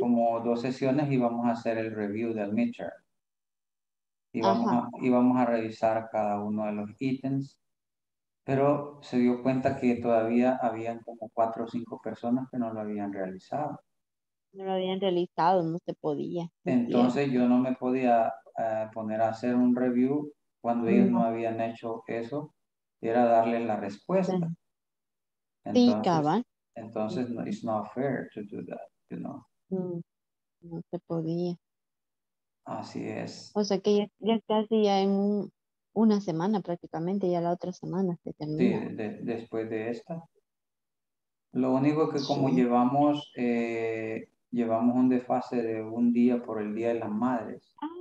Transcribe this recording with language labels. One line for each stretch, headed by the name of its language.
Spanish: como dos sesiones íbamos a hacer el review del midterm. Íbamos a revisar cada uno de los ítems, pero se dio cuenta que todavía habían como 4 o 5 personas que no lo habían realizado. No lo habían realizado, no se podía. Entonces yo no me podía poner a hacer un review cuando ellos no habían hecho eso, era darle la respuesta. Entonces, sí, cabal. Entonces, no,
English: it's not fair to do that, you know.
Spanish: No se podía. Así es. O sea que ya casi ya en una semana prácticamente, ya la otra semana se termina. Sí, después de esta. Lo único que como llevamos un desfase de un día por el Día de las Madres.